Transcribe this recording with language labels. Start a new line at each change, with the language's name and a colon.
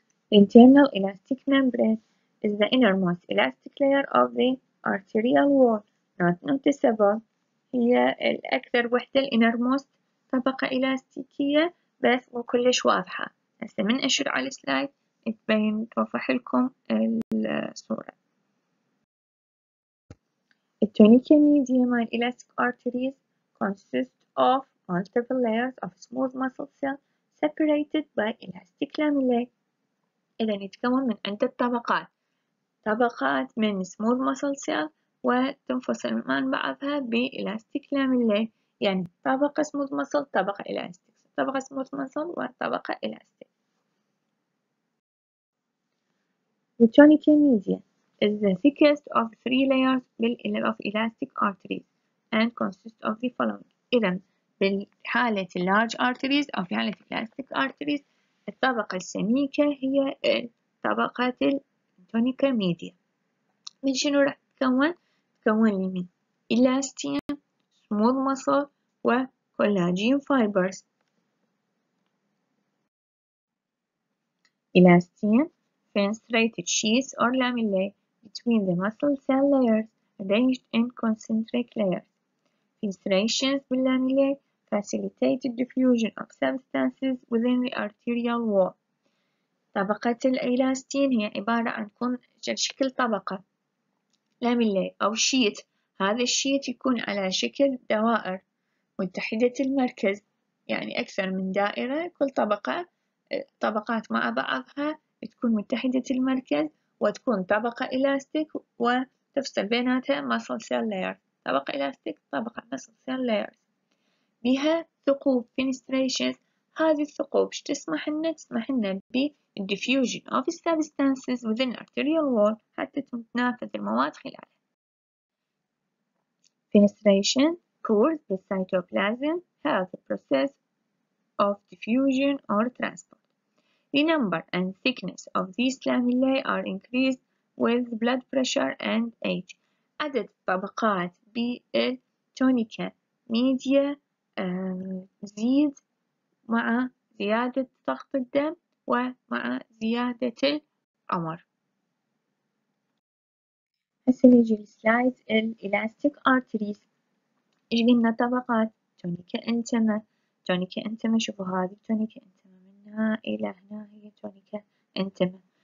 English: Internal elastic membrane is the innermost elastic layer of the arterial wall, not noticeable.
Arabic: هي الأكثر وحدة الـ innermost طبقة إلاستيكية بس مو كلش واضحة. هسه من أشير على السلايد تبين توضح لكم الصورة.
English: The tunical medium and elastic arteries consist of multiple layers of smooth muscle cells separated by elastic lamellae.
Arabic: إذا يتكون من عدة طبقات من سموث مسل سيل وتنفصل عن بعضها بإلاستيك لاميلي، يعني طبقة سموث مسل، طبقة إلاستيك، طبقة سموث مسل وطبقة إلاستيك.
English: The tunical media is the thickest of three layers of elastic arteries and consists of the following.
Arabic: إذا بالحالة large arteries أو في حالة elastic arteries الطبقة السميكة هي طبقة tonica media. من شنو راح تتكون؟ تتكون من elastin, smooth muscle و collagen fibers.
English: Elastin, fenestrated sheets or lamellae between the muscle cell layers arranged in concentric layers. Fenestrations with lamellae facilitated diffusion of substances within the arterial wall.
Arabic: طبقة الإلاستين هي عبارة عن كون شكل طبقة لاميلي أو شيت، هذا الشيت يكون على شكل دوائر متحدة المركز، يعني أكثر من دائرة، كل طبقة طبقات مع بعضها تكون متحدة المركز وتكون طبقة إلاستيك وتفصل بيناتها مسل سيل لاير، طبقة إلاستيك طبقة مسل سيل لاير بها ثقوب فينستريشنز. هذه الثقوب إيش تسمح لنا؟ تسمح لنا ب
English: diffusion of substances within arterial wall
Arabic: حتى تتنافذ المواد خلالها.
English: Fenestration pores the cytoplasm help the process of diffusion or transport. The number and thickness of these lamellae are increased with blood pressure and age.
Arabic: عدد طبقات بالتونيكا ميديا زيد مع زيادة ضغط الدم ومع زيادة العمر. هسه نجي لسلايد الإلاستيك أرتريز. إيش قلنا طبقات؟ تونيكا انتما، تونيكا انتما، شوفوا هذه تونيكا انتما، منها إلى هنا هي تونيكا انتما.